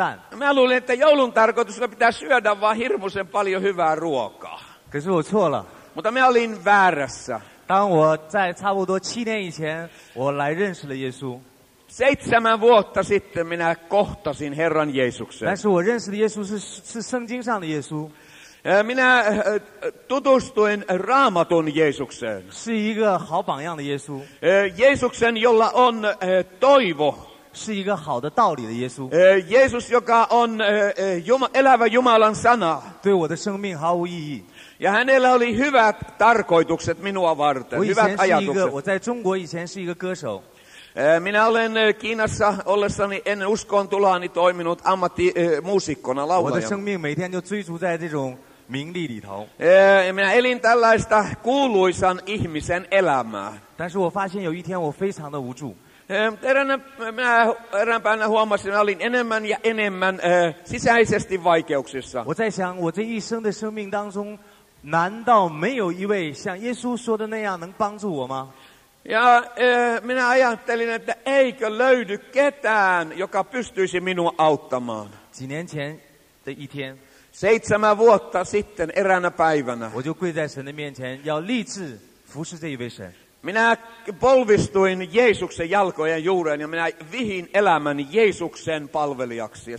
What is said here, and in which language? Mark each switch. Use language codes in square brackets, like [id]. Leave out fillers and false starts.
[fi] Minä luulin, että joulun tarkoitus on, että pitää syödä vaan hirmuisen paljon hyvää ruokaa. Mutta minä olin väärässä. [zh] 当我在差不多七年以前，我来认识了耶稣。 [fi] 7 vuotta sitten minä kohtasin Herran Jeesuksen。 [zh] 但是我认识的耶稣是圣经上的耶稣。 [fi] Minä tutustuin Raamatun Jeesukseen。 [zh] 是一个好榜样的耶稣。 [fi] Jeesuksen, jolla on toivo。 [zh] 是一个好的道理的耶稣。 [fi] Jeesus, joka on elävä Jumalan sana, [zh] 对我的生命毫无意义。 [fi] Ja hänellä oli hyvät tarkoitukset minua varten, hyvät ajatukset. [zh] 我在中国以前是一个歌手。 [fi] Minä olen Kiinassa ollessani ennen uskoontuloani toiminut ammattimuusikkona, laulajana. [zh] 我的生命每天就追逐在这种名利里头。 [fi] Minä elin tällaista kuuluisan ihmisen elämää. [zh] 但是我发现有一天我非常的无助。 [fi] Minä eräänpäinä huomasin, että olin enemmän ja enemmän sisäisesti vaikeuksissa. [zh] 我在想我这一生的生命当中难道没有一位像耶稣说的那样能帮助我吗？ [fi] ja minä ajattelin, että eikö löydy ketään, joka pystyisi minua auttamaan. [zh] 几年前的一天， [fi] 7 vuotta sitten eräänä päivänä, [zh] 我就跪在神的面前，要立志服侍这一位神。 [fi] Minä polvistuin Jeesuksen jalkojen juureen ja minä vihin elämäni Jeesuksen palvelijaksi ja